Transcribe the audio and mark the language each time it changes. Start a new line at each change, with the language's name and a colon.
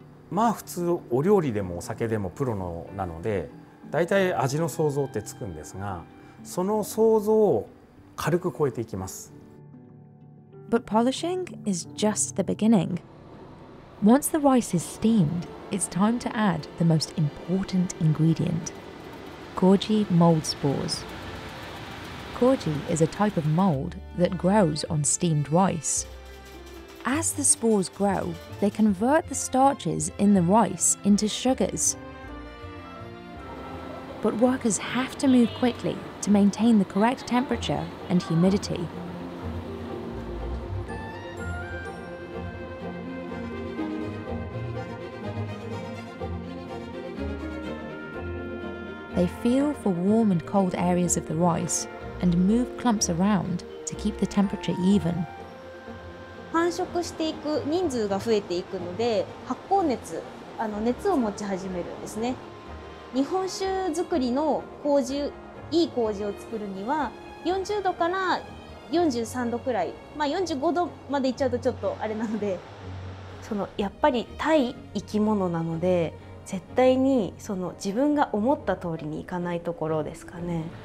Japanese: まあ普通お料理でもお酒でもプロのなので、だいたい味の想像ってつくんですが、その想像を軽く超えていきます。
English: But polishing is just the beginning. Once the rice is steamed,It's time to add the most important ingredient, Koji mold spores. Koji is a type of mold that grows on steamed rice. As the spores grow, they convert the starches in the rice into sugars. But workers have to move quickly to maintain the correct temperature and humidity. They feel for warm and cold areas of the rice and move clumps around to keep the temperature even.
Japanese: 繁殖していく人数が増えていくので、発酵熱、熱を持ち始めるんですね。日本酒作りの麹、いい麹を作るには、40度から 43度くらい、まあ、45度まで行っちゃうとちょっとあれなので、そのやっぱり対生き物なので絶対にその自分が思った通りにいかないところですかね。